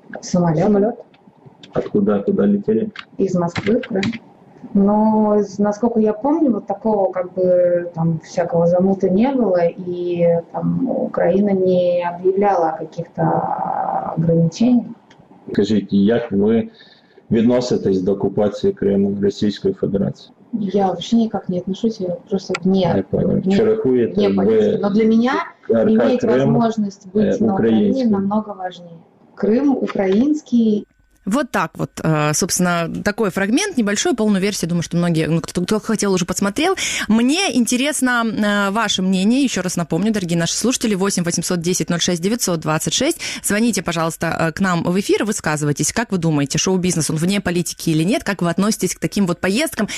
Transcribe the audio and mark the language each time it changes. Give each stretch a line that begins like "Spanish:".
Russian: Самолет. Самолет. Откуда? Куда летели? Из Москвы, да. Но, насколько я помню, вот такого как бы там всякого замута не было. И там Украина не объявляла о каких-то ограничениях.
Ukrainian: Скажіть, як ви відноситесь до окупації Криму Російської Федерації? Я взагалі ніяк не відношуся, я просто ні. Не пам'ятаю. Чи рахуєте ви... Но для мене мати можливість бути на Україні намного важливіше. Крим український...
Russian: Вот так вот, собственно, такой фрагмент, небольшой, полную версию, думаю, что многие, ну, кто хотел, уже посмотрел. Мне интересно ваше мнение, еще раз напомню, дорогие наши слушатели, 8 800 10 06 926, звоните, пожалуйста, к нам в эфир, высказывайтесь, как вы думаете, шоу-бизнес, он вне политики или нет, как вы относитесь к таким вот поездкам.